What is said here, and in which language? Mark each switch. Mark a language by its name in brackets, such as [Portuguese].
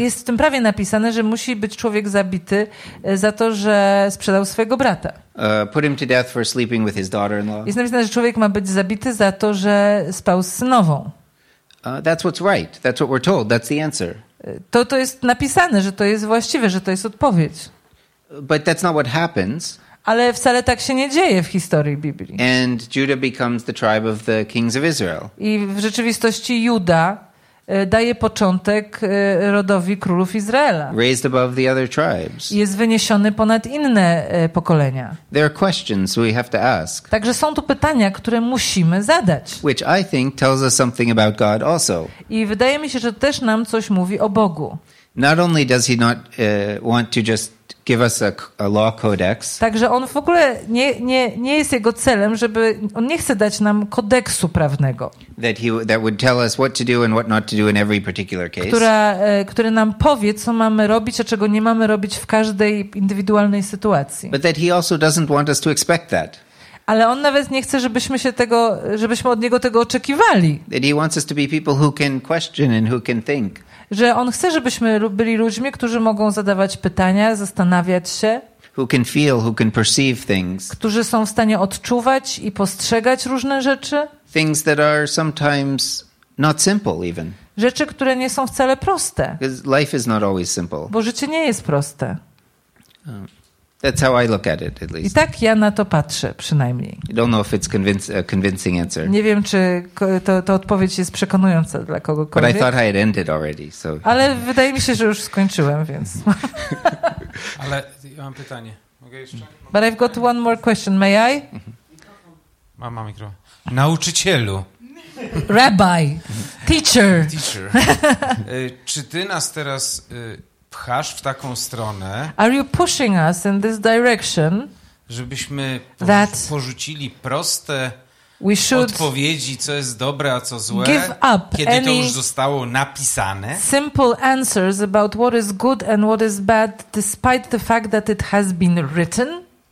[Polish] jest w tym prawie napisane, że musi być człowiek zabity za to, że sprzedał swojego brata. [English] Put him to death for sleeping with his daughter-in-law. [Polish] Jest napisane, że człowiek ma być zabity za to, że spał z synową. [English] That's what's right. That's what we're told. That's the answer. [Polish] To jest napisane, że to jest właściwe, że to jest odpowiedź. [English] But that's not what happens. [Polish] Ale wcale tak się nie dzieje w historii Biblii. [English] And Judah becomes the tribe of the kings of Israel. [Polish] I w rzeczywistości Juda daje początek rodowi królów Izraela. [English] Raised above the other tribes. [Polish] Jest wyniesiony ponad inne pokolenia. [English] There are questions we have to ask. [Polish] Także są tu pytania, które musimy zadać. [English] Which I think tells us something about God also. [Polish] I wydaje mi się, że też nam coś mówi o Bogu. [English] Not only does he not want to just give us a law codex. [Polish] Także on w ogóle nie jest jego celem, żeby on nie chce dać nam kodeksu prawnego. [English] That would tell us what to do and what not to do in every particular case. [Polish] Który nam powie, co mamy robić, a czego nie mamy robić w każdej indywidualnej sytuacji. [English] But that he also doesn't want us to expect that. [Polish] Ale on nawet nie chce, żebyśmy od niego tego oczekiwali. [English] That he wants us to be people who can question and who can think. [Polish] Że on chce, żebyśmy byli ludźmi, którzy mogą zadawać pytania, zastanawiać się. [English] Who can feel, who can perceive things. [Polish] Którzy są w stanie odczuwać i postrzegać różne rzeczy. [English] Things that are sometimes not simple even. [Polish] Rzeczy, które nie są wcale proste. [English] Because life is not always simple. [Polish] Bo życie nie jest proste. [English] That's how I look at it, at least. [Polish] I tak ja na to patrzę, przynajmniej. [English] I don't know if it's convincing answer. [Polish] Nie wiem, czy to odpowiedź jest przekonująca dla kogokolwiek. [English] But I thought I had ended already, so. [Polish] Ale wydaje mi się, że już skończyłem, więc. Ale ja mam pytanie. Mogę jeszcze? [English] But I've got one more question. May I? [Polish] Mam mikrofon. Nauczycielu. [English] Rabbi. Teacher. Teacher. [Polish] Czy ty nas teraz pchasz w taką stronę? [English] Are you pushing us in this direction? [Polish] Żebyśmy porzucili proste odpowiedzi, co jest dobre, a co złe, [English] give up, [Polish] kiedy to już zostało napisane. [English] Simple answers about what is good and what is bad, despite the fact that it has been written.